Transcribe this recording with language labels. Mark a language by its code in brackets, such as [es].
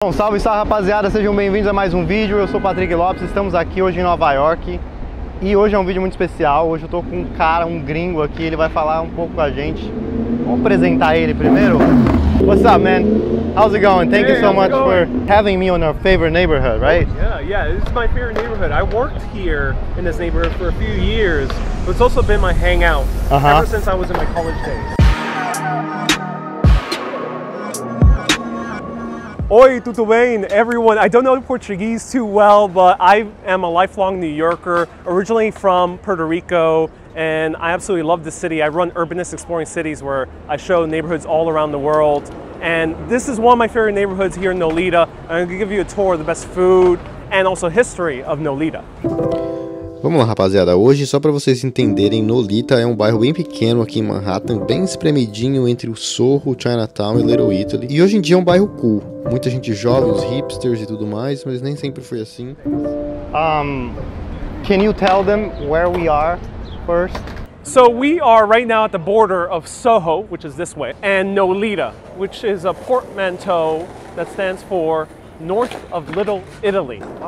[pt] Bom, salve, salve rapaziada, sejam bem-vindos a mais um vídeo. Eu sou o Patrick Lopes, estamos aqui hoje em Nova York. E hoje é um vídeo muito especial. Hoje eu tô com um cara, um gringo aqui, ele vai falar um pouco com a gente. Vamos apresentar ele primeiro? [en] What's up, man? How's it going? Thank you so much for having me on your favorite neighborhood, right? Oh, yeah, this is my favorite neighborhood. I worked here in this neighborhood for a few years, but it's also been my hangout ever since I was in my college days. [pt] Oi, tudo bem? [en] Everyone, I don't know Portuguese too well, but I am a lifelong New Yorker, originally from Puerto Rico, and I absolutely love the city. I run Urbanist Exploring Cities, where I show neighborhoods all around the world. And this is one of my favorite neighborhoods here in Nolita. I'm gonna give you a tour of the best food and also history of Nolita. [pt] Vamos lá, rapaziada. Hoje, só para vocês entenderem, Nolita é um bairro bem pequeno aqui em Manhattan, bem espremidinho entre o Soho, Chinatown e Little Italy. E hoje em dia é um bairro cool. Muita gente jovem, os hipsters e tudo mais, mas nem sempre foi assim. [en] Can you tell them where we are first? So we are right now at the border of Soho, which is this way, and Nolita, which is a portmanteau that stands for North of Little Italy.